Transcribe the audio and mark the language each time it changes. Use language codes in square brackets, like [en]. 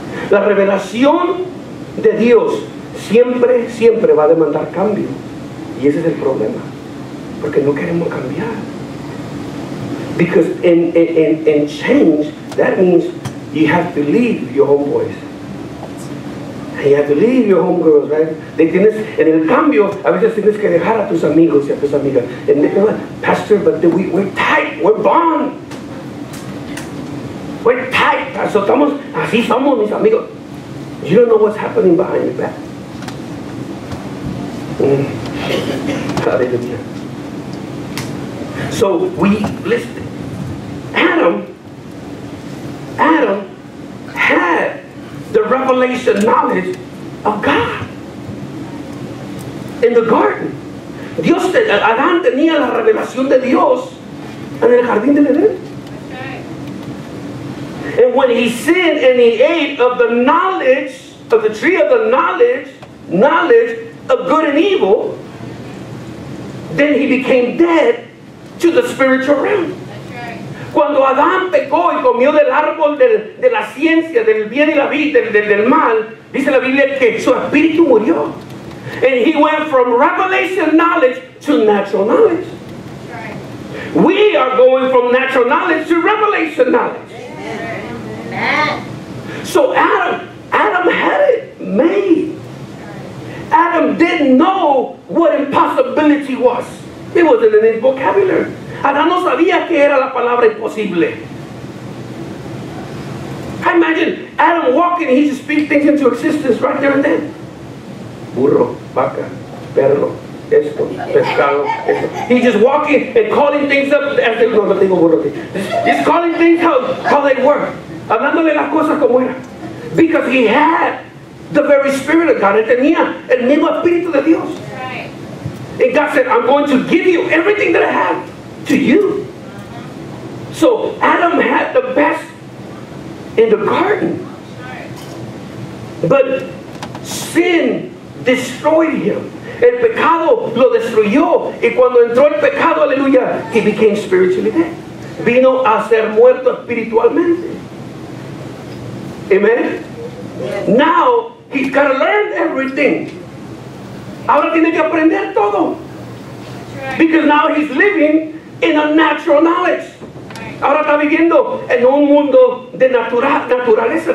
[es] La revelación de Dios siempre, siempre va a demandar cambio. Y ese es el problema. Porque no queremos cambiar. [en] Because in change, that means you have to leave your homeboys. And you have to leave your homegirls, right? [es] They tienes, en el cambio, a veces tienes que dejar a tus amigos y a tus amigas. [en] And they go, Pastor, but we're tight, we're bond. We're tight, Pastor. [es] Estamos, así somos, mis amigos. [en] You don't know what's happening behind your back. Hallelujah. So we listen. Adam had the revelation knowledge of God in the garden. [es] Dios, Adán tenía la revelación de Dios en el jardín del Edén. [en] And when he sinned and he ate of the knowledge, of the tree of the knowledge of good and evil, then he became dead to the spiritual realm. [es] Cuando Adán pecó y comió del árbol del, de la ciencia, del bien y la vida, del mal, dice la Biblia que su espíritu murió. [en] And he went from revelation knowledge to natural knowledge. Right. We are going from natural knowledge to revelation knowledge. Amen. So Adam had it made. Adam didn't know what impossibility was. It wasn't in his vocabulary. [es] Adán no sabía que era la palabra imposible. [en] I imagine Adam walking, he just speaks things into existence right there and then. [es] Burro, vaca, perro, esto, pescado, esto. [en] He's just walking and calling things up as they go. [es] No tengo burro. [en] He's calling things how they work. [es] Hablándole las cosas como era. [en] Because he had the very spirit of God. [es] Él tenía el mismo espíritu de Dios. [en] And God said, I'm going to give you everything that I have. To you. So Adam had the best in the garden. But sin destroyed him. [es] El pecado lo destruyó. Y cuando entró el pecado, aleluya, [en] he became spiritually dead. [es] Vino a ser muerto espiritualmente. Amen. [en] Now he's got to learn everything. [es] Ahora tiene que aprender todo. [en] Because now he's living in a natural knowledge. [es] Ahora está viviendo en un mundo de naturaleza.